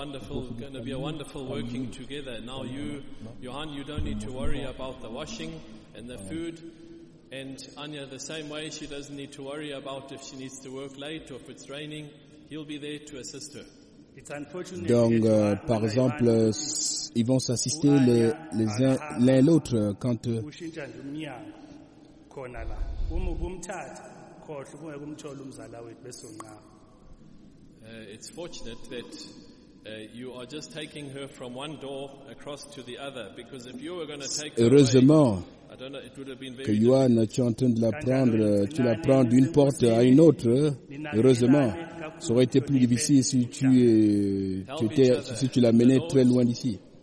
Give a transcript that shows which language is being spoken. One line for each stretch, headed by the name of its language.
English: It's going to be a wonderful working together. Now you, Johan, you don't need to worry about the washing and the food. And Anya, the same way, she doesn't need to worry about if she needs to work late or if it's raining. He'll be there to assist her.
French: Donc, par exemple, ils vont s'assister l'un l'autre quand...
English: It's fortunate that you are just taking her from one door across to the other, because if you were going to take her away, I don't know, it would have been very
French: que Johan, tu es en train de la prendre, tu la prends d'une porte à une autre, heureusement, ça aurait été plus difficile si tu l'amenais très loin d'ici.